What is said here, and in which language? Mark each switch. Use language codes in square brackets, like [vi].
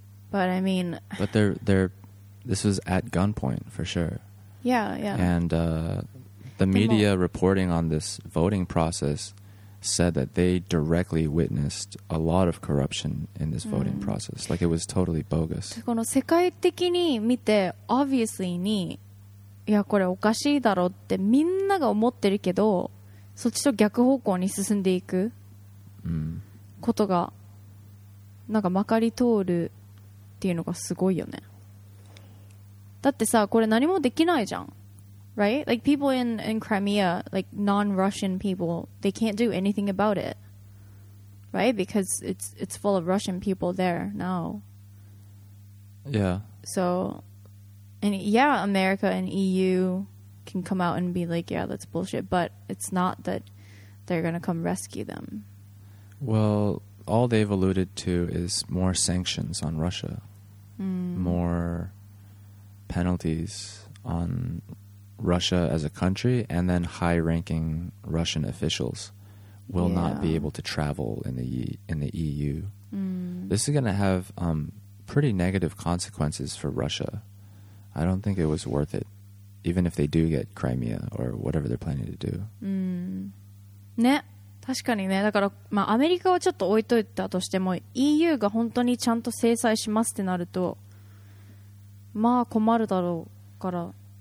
[en] But, I mean... But they're, this was at gunpoint, for sure. Yeah, yeah. And the media reporting on this voting process said that they directly witnessed a lot of corruption in this voting process. Like it was totally bogus. [ja] この世界的に見て、obviously に、いやこれおかしいだろうってみんなが思ってるけど、そっちと逆方向に進んでいくことがなんかまかり通るっていうのがすごいよね。だってさ、これ何もできないじゃん。 [en] Right? Like people in Crimea, like non-Russian people, they can't do anything about it. Right? Because it's full of Russian people there now. Yeah. So, and yeah, America and EU can come out and be like, yeah, that's bullshit. But it's not that they're going to come rescue them. Well, all they've alluded to is more sanctions on Russia, more penalties on Russia as a country, and then high-ranking Russian officials will not be able to travel in the EU. This is going to have pretty negative consequences for Russia. I don't think it was worth it, even if they do get Crimea or whatever they're planning to do. [ja] ね、確かにね。だから、まあ、アメリカはちょっと置いといたとしても、EU が本当にちゃんと制裁しますってなると、まあ困るだろうから。